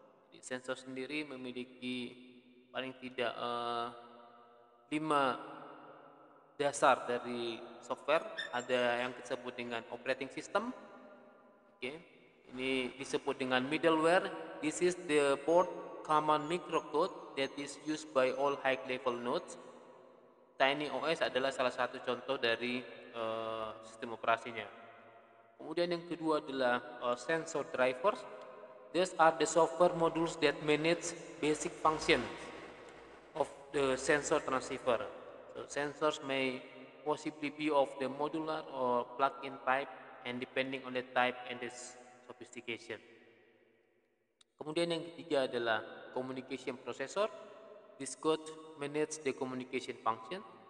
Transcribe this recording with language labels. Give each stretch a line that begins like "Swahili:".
Indonesian: Jadi, sensor sendiri memiliki paling tidak 5 dasar dari software. Ada yang disebut dengan operating system. Okay. Ini disebut dengan middleware.
English: This is the port common microcode that is used by all high level nodes.
Indonesian: TinyOS adalah salah satu contoh dari sistem operasinya. Kemudian yang kedua adalah sensor drivers.
English: These are the software modules that manage basic functions of the sensor transceiver. So sensors may possibly be of the modular or plug-in type, and depending on the type and the sophistication.
Indonesian: Kemudian yang ketiga adalah
English: communication processor. This code manages the communication function.